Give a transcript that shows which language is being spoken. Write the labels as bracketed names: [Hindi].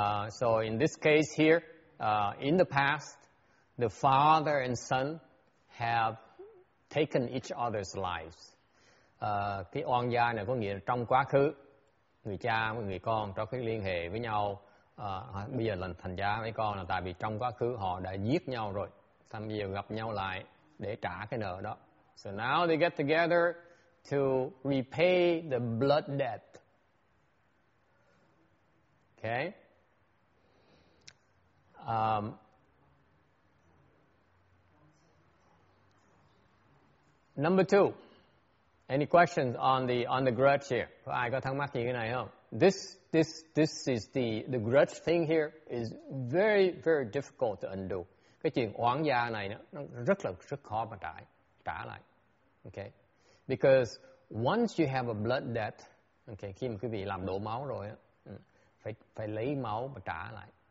[English] So in this case here, in the past, the father and son have taken each other's lives. [Vietnamese] Cái oan gia này có nghĩa là trong quá khứ, người cha và người con trong cái liên hệ với nhau, bây giờ là thành cha với con là tại vì trong quá khứ họ đã giết nhau rồi, xong bây giờ gặp nhau lại để trả cái nợ đó. [English] So now they get together to repay the blood debt. Okay? Number two. Any questions on the grudge here? [Vietnamese] Có ai có thắc mắc gì cái này không? [English] This is the grudge thing here is very, very difficult to undo. [Vietnamese] Cái chuyện oán gia này nó rất khó mà trả lại. [English] Okay, because once you have a blood debt, okay, [Vietnamese] khi mà quý vị làm đổ máu rồi, phải lấy máu và trả lại.